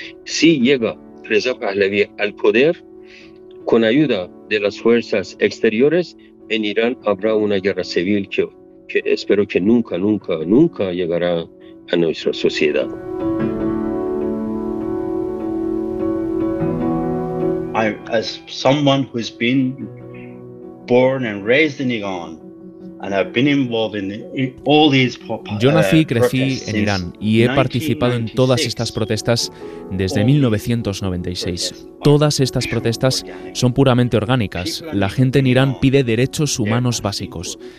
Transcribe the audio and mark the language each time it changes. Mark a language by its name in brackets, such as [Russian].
[Spanish] Si llega Reza Pahlavi al poder con ayuda de las fuerzas exteriores, en Irán habrá una guerra civil que espero que nunca, nunca, nunca llegará a nuestra sociedad. [English] As someone who's been born and raised in Iran, and I've been involved in all these protests. [Spanish] Yo nací y crecí en Irán y he participado en todas estas protestas desde 1996. Todas estas protestas son puramente orgánicas. La gente en Irán pide derechos humanos básicos.